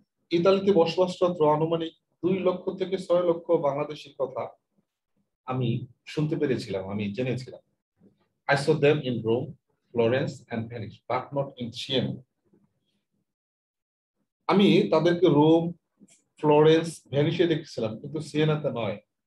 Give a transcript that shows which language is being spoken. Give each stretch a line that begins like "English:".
Bangla: ইতালিতে বসবাসরত আনুমানিক 2 লক্ষ থেকে 6 লক্ষ বাংলাদেশির কথা আমি শুনতে পেরেছিলাম, আমি জেনেছিলাম.
English: I saw them in Rome, Florence, and Venice, but not in Siena.
Bangla: আমি তাদেরকে রোম, ফ্লোরেন্স, ভেনিসে দেখেছিলাম, কিন্তু সিয়েনাতে নয়.